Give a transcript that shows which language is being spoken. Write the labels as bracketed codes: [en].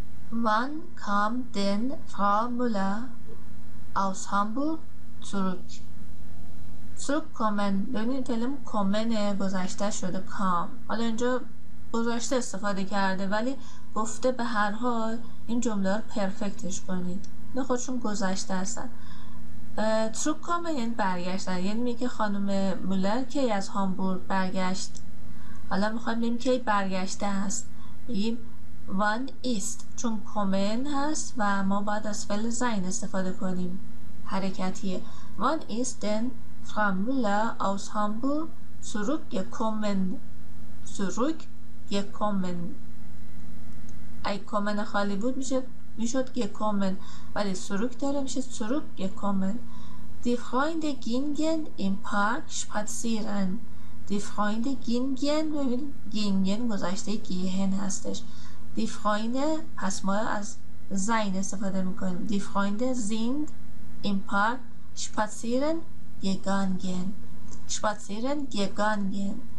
[de] Wann kam denn Frau Müller aus Hamburg zurück? Zurückkommen. [fa] ببینید فعلم کامن گذشته شده، کام. حالا اینجا گذشته استفاده کرده ولی گفته به هر حال این جمله رو پرفکتش کنید. نه خودشون گذشته هستن. تروک کامه یعنی برگشتن، یعنی میگه خانم مولر که از هامبورگ برگشت. حالا میخواییم بگیم که برگشته هست، بگیم وان ایست، چون کامن هست و ما باید از فعل زین استفاده کنیم حرکتیه. [de] وان ایست دن فرام مولر از هامبورگ تروک یک کامن، تروک یک کامن. [fa] ای کامن خالی بود میشه میشد gekommen، ولی zurück داره میشه zurück gekommen. [de] Die Freunde gingen im Park spazieren. Die Freunde gingen، ببین gingen گذشته gehen هستش. [fa] Die Freunde، پس ما از sein استفاده میکنیم. [de] Die Freunde sind im Park spazieren gegangen. Spazieren gegangen.